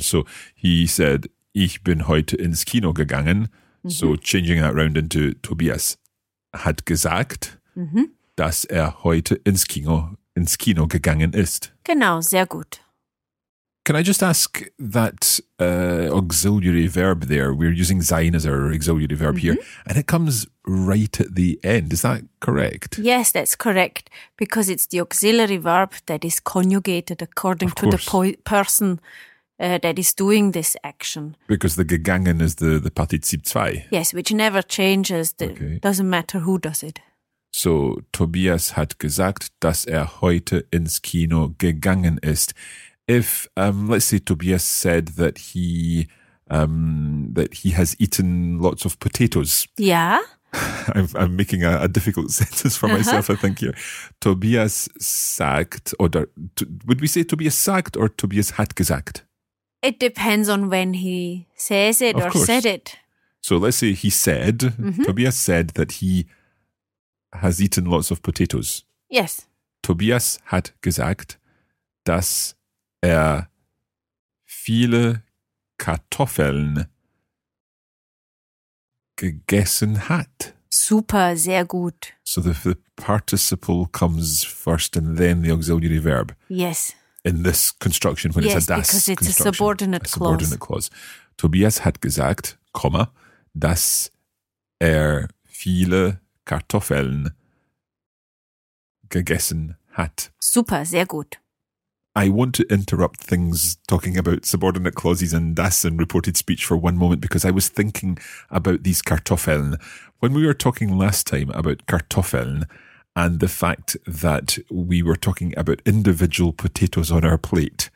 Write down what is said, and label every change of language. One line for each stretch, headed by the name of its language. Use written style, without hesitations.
English: So he said,
German: ich bin heute ins Kino gegangen.
English: Mm-hmm. So changing that round into
German: Tobias hat gesagt,
English: mm-hmm.
German: dass heute ins Kino gegangen ist. Genau, sehr gut.
English: Can I just ask that auxiliary verb there? We're using sein as our auxiliary verb mm-hmm. here, and it comes right at the end. Is that correct? Yes, that's correct, because it's the auxiliary verb that is conjugated according to the person that is doing this action. Because the gegangen is the Partizip 2. Yes, which never changes. It doesn't matter who does it.
German: So, Tobias hat gesagt, dass heute ins Kino gegangen ist.
English: If, let's say, Tobias said that he has eaten lots of potatoes. Yeah. I'm making a difficult sentence for myself, I think, here.
German: Tobias sagt,
English: would we say Tobias sagt or
German: Tobias hat gesagt?
English: It depends on when he says it of course. Said it. So let's say he said, mm-hmm. Tobias said that he has eaten lots of potatoes. Yes.
German: Tobias hat gesagt, dass viele Kartoffeln gegessen hat. Super, sehr gut.
English: So the participle comes first and then the auxiliary verb. Yes. In this construction, when yes, it's a das construction. Yes, because it's a subordinate clause.
German: Tobias hat gesagt, comma, dass viele Kartoffeln gegessen hat. Super, sehr gut.
English: I want to interrupt things talking about subordinate clauses and das and reported speech for one moment because I was thinking about these Kartoffeln. When we were talking last time about Kartoffeln and the fact that we were talking about individual potatoes on our plate,